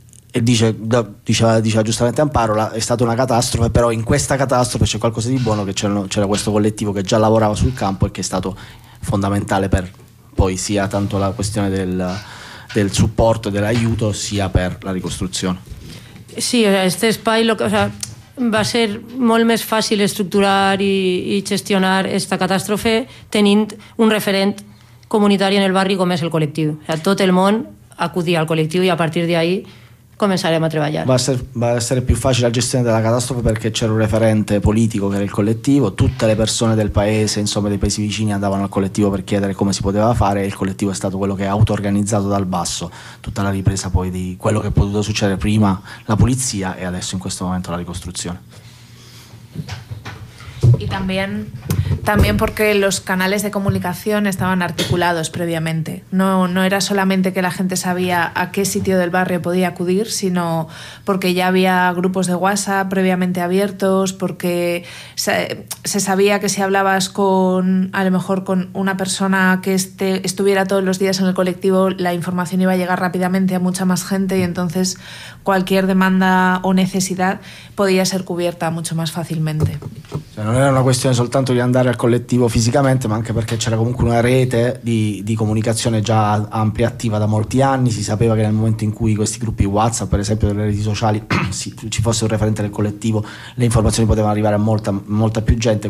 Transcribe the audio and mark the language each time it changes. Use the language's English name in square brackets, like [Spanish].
[Italian] E diceva giustamente Amparo, è stata una catastrofe, però in questa catastrofe c'è qualcosa di buono, che c'era questo collettivo che già lavorava sul campo e che è stato fondamentale per poi sia tanto la questione del supporto e dell'aiuto, sia per la ricostruzione. [Catalan] Sì, este espai, o sea, va a ser molt més fàcil estructurar i gestionar esta catàstrofe tenint un referent comunitari en el barri com és el col·lectiu. O sea, tot el món acudia al col·lectiu i a partir d'ahí començarem a treballar. [Italian] Va a essere più facile la gestione della catastrofe perché c'era un referente politico che era il collettivo, tutte le persone del paese, insomma, dei paesi vicini andavano al collettivo per chiedere come si poteva fare, e il collettivo è stato quello che ha auto-organizzato dal basso tutta la ripresa poi di quello che è potuto succedere prima la pulizia e adesso in questo momento la ricostruzione. [Spanish] Y también También porque los canales de comunicación estaban articulados previamente. No era solamente que la gente sabía a qué sitio del barrio podía acudir, sino porque ya había grupos de WhatsApp previamente abiertos, porque se sabía que si hablabas con, a lo mejor, con una persona que estuviera todos los días en el colectivo, la información iba a llegar rápidamente a mucha más gente y entonces cualquier demanda o necesidad podía ser cubierta mucho más fácilmente. [Italian] Non era una questione soltanto di andare al collettivo fisicamente, ma anche perché c'era comunque una rete di comunicazione già ampia e attiva da molti anni. Si sapeva che nel momento in cui questi gruppi WhatsApp, per esempio, delle reti sociali, ci fosse un referente del collettivo, le informazioni potevano arrivare a molta più gente.